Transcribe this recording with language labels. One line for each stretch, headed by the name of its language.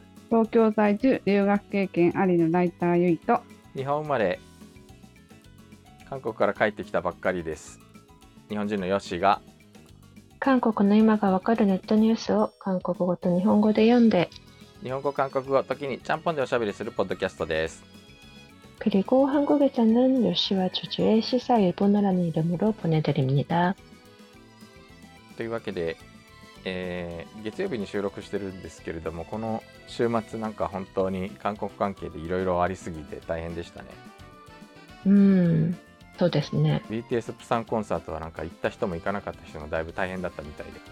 Japanese: 東京在住、留学経験ありのライターユイと、日本生まれ、韓国から帰ってきたばっかりです。日本人のヨシが、韓国の今がわかるネットニュースを韓国語と日本語で読んで、日本語、韓国語、時にちゃんぽんでおしゃべりするポッドキャストです。
Korean: 그리고한국에서는요시와주주의시사일본어라는이름으로보내드립니다
Japanese: というわけで、月曜日に収録してるんですけれども、この週末なんか本当に韓国関係でいろいろありすぎて大変でしたね。そうですね。 BTS プサンコンサートはなんか行った人も行かなかった人もだいぶ大変だったみたいで。